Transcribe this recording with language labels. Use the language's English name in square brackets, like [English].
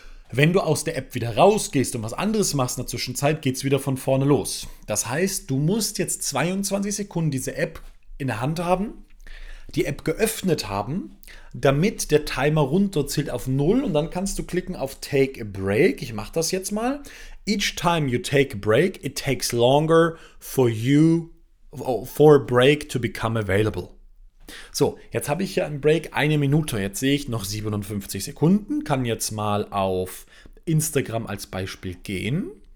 [German] Wenn du aus der App wieder rausgehst und was anderes machst in der Zwischenzeit, geht es wieder von vorne los. Das heißt, du musst jetzt 22 Sekunden diese App in der Hand haben, die App geöffnet haben, damit der Timer runterzählt auf 0 und dann kannst du klicken auf Take a Break. Ich mache das jetzt mal. [English] Each time you take a break, it takes longer for a break to become available. [German] So, jetzt habe ich hier einen Break, 1 Minute, jetzt sehe ich noch 57 Sekunden, kann jetzt mal auf Instagram als Beispiel gehen.